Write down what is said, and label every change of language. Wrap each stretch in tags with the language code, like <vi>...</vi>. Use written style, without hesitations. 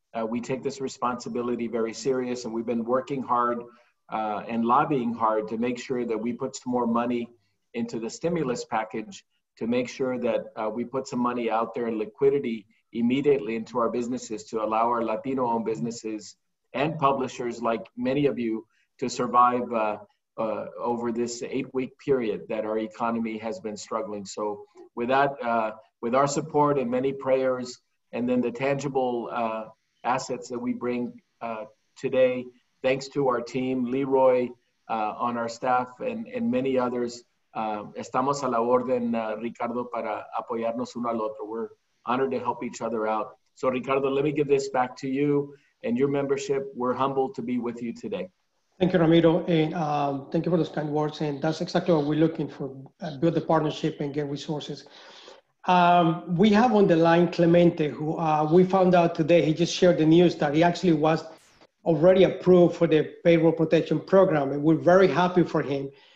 <en>we take this responsibility very serious, and we've been working hard and lobbying hard to make sure that we put some more money into the stimulus package to make sure that we put some money out there and liquidity immediately into our businesses to allow our Latino-owned businesses and publishers like many of you to survive over this eight-week period that our economy has been struggling. So with that, with our support and many prayers, and then the tangible assets that we bring today, thanks to our team, Leroy on our staff, and many others.</en> <es>Estamos a la orden, Ricardo, para apoyarnos uno al otro.</es> <en>We're honored to help each other out. So Ricardo, let me give this back to you and your membership. We're humbled to be with you today. Thank you, Ramiro, and thank you for those kind words. And that's exactly what we're looking for, build the partnership and get resources. We have on the line Clemente, who we found out today, he just shared the news that he actually was already approved for the Payroll Protection Program, and we're very happy for him.</en>